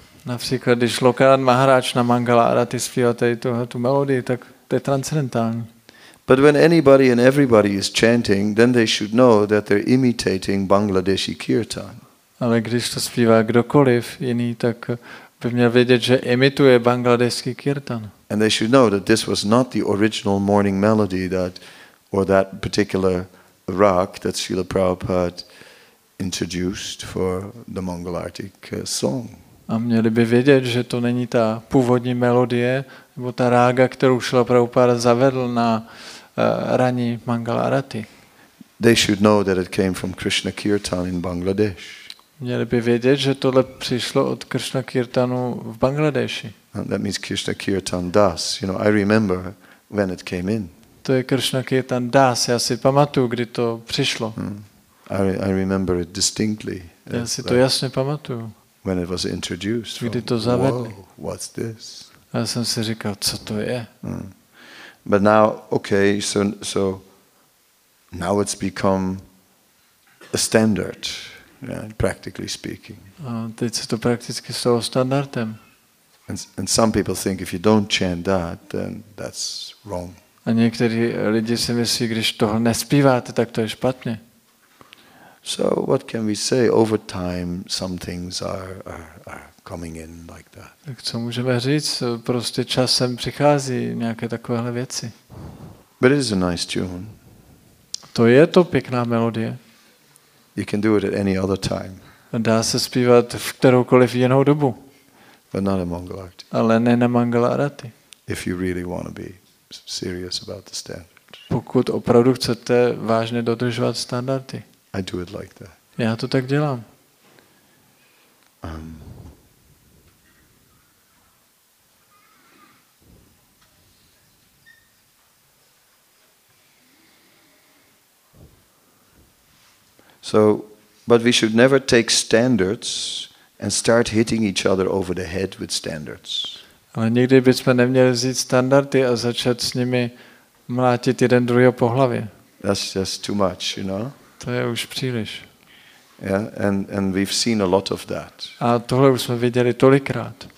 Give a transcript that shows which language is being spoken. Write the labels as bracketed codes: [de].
[cs] Například, když Lokanath Maharaj na Mangalarati zpívá tu melodii, tak to je transcendentální. [en] But when anybody and everybody is chanting, then they should know that they're imitating Bangladeshi kirtan. [cs] Ale když to zpívá kdokoliv jiný, tak by měl vědět, že imituje bangladeský kirtan. [en] And they should know that this was not the original morning melody that, or that particular rag that Srila Prabhupada introduced for the Mangalartic song. [cs] A měli by vědět, že to není ta původní melodie, nebo ta rága, kterou Srila Prabhupada zavedl na ranní Mangalarati. [en] They should know that it came from Krishna Kirtan in Bangladesh. [cs] Měli by vědět, že tohle přišlo od Krishna Kirtanu v Bangladeshi. [en] And that means Krishna Kirtan Das. You know, I remember when it came in. [cs] To je Krishna Kirtan Das. Já si pamatuju, kdy to přišlo. [en] I remember it distinctly. [cs] Já si to jasně pamatuju. [en] When it was introduced. [cs] Kdy to zavedli. [en] Whoa, what's this? [cs] Já jsem si říkal, co to je. [en] But now, okay, so now it's become a standard, yeah, practically speaking. [cs] A teď se to prakticky stalo standardem. [en] And some people think if you don't chant that, then that's wrong. [cs] A někteří lidi si myslí, když toho nespíváte, tak to je špatně. [en] So what can we say? Over time, some things are coming in like that. [cs] Tak co můžeme říct? Prostě časem přichází nějaké takovéhle věci. [en] But it is a nice tune. [cs] To je to pěkná melodie. [en] You can do it at any other time. [cs] Dá se zpívat v kteroukoliv jinou dobu. [en] But not a Mangala Arati. [cs] Ale ne na Mangala Arati. [en] If you really want to be serious about the standard. [cs] Pokud opravdu chcete vážně dodržovat standardy. [en] I do it like that. [cs] Já to tak dělám. [en] So, but we should never take standards and start hitting each other over the head with standards. [cs] Ale nikdy bychom neměli vzít standardy a začat s nimi mlátit jeden druhého po hlavě. [en] That's just too much, you know. [cs] To je už příliš. [en] Yeah, and we've seen a lot of that. [cs] A tohle už jsme viděli tolikrát.